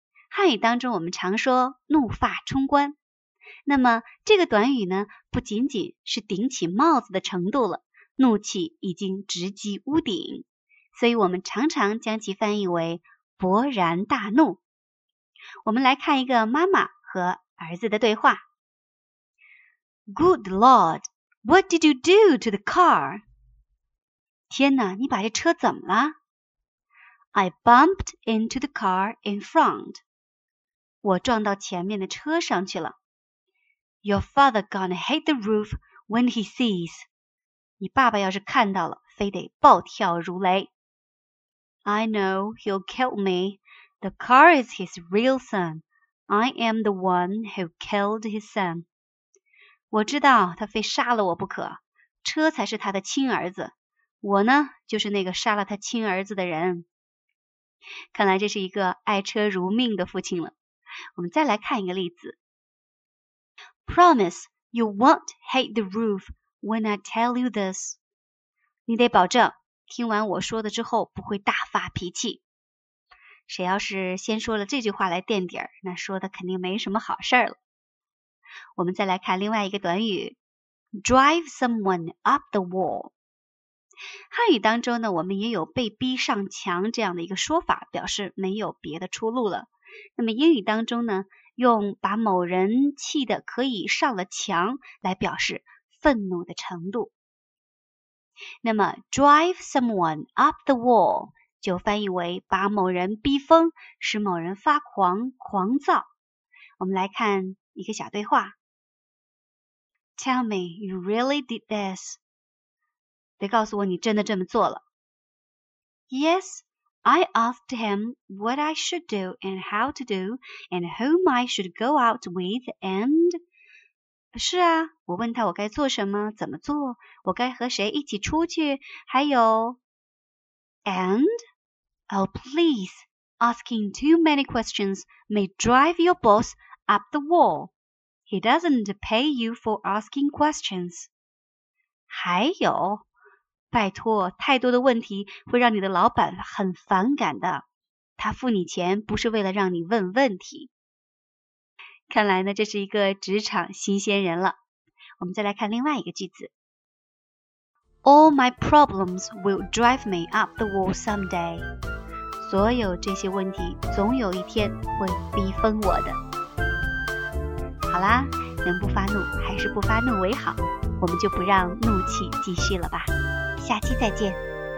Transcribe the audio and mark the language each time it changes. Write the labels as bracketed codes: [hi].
[zh] 汉语当中我们常说怒发冲冠，那么这个短语呢不仅仅是顶起帽子的程度了，怒气已经直击屋顶，所以我们常常将其翻译为勃然大怒。我们来看一个妈妈和儿子的对话。 [en] Good Lord, what did you do to the car? [zh] 天哪，你把这车怎么了？ [en] I bumped into the car in front. [zh] 我撞到前面的车上去了。 [en] Your father gonna hit the roof when he sees. [zh] 你爸爸要是看到了，非得暴跳如雷。 [en] I know he'll kill me. The car is his real son. I am the one who killed his son. [zh] 我知道他非杀了我不可，车才是他的亲儿子，我呢就是那个杀了他亲儿子的人。看来这是一个爱车如命的父亲了。我们再来看一个例子。 [en] Promise you won't hate the roof when I tell you this. [zh] 你得保证听完我说的之后不会大发脾气。谁要是先说了这句话来垫底儿，那说的肯定没什么好事儿了。我们再来看另外一个短语 [en] drive someone up the wall。 [zh] 汉语当中呢，我们也有被逼上墙这样的一个说法，表示没有别的出路了。那么英语当中呢，用把某人气得可以上了墙来表示愤怒的程度。那么 [en] drive someone up the wall [zh] 就翻译为把某人逼疯，使某人发狂狂躁。我们来看一个小对话。 [en] Tell me you really did this. [zh] 得告诉我你真的这么做了。 [en] Yes, I asked him what I should do and how to do and whom I should go out with and... [zh] 是啊，我问他我该做什么，怎么做，我该和谁一起出去，还有 [en] And? Oh please, asking too many questions may drive your boss up the wall. He doesn't pay you for asking questions. [zh] 还有，拜托，太多的问题会让你的老板很反感的，他付你钱不是为了让你问问题。看来呢，这是一个职场新鲜人了。我们再来看另外一个句子。 [en] All my problems will drive me up the wall someday. [zh] 所有这些问题总有一天会逼疯我的。好啦，能不发怒还是不发怒为好，我们就不让怒气继续了吧。下期再见。